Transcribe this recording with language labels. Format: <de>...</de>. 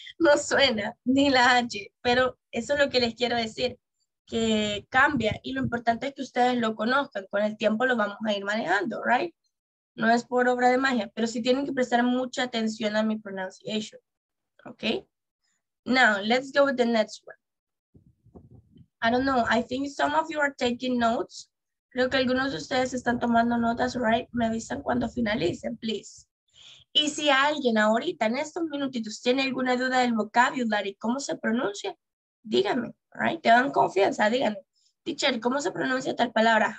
<es>No suena ni la H, pero eso es lo que les quiero decir, que cambia, y lo importante es que ustedes lo conozcan. Con el tiempo lo vamos a ir manejando, right? No es por obra de magia, pero sí tienen que prestar mucha atención a mi pronunciation, ¿ok?</es> <en>Now, let's go with the next one. I don't know. I think some of you are taking notes.</en> <es>Creo que algunos de ustedes están tomando notas, right? Me avisan cuando finalicen, please. Y si alguien ahorita, en estos minutitos, tiene alguna duda del vocabulary, ¿cómo se pronuncia? Díganme, right? Te dan confianza, díganme. Teacher, ¿cómo se pronuncia tal palabra?</es>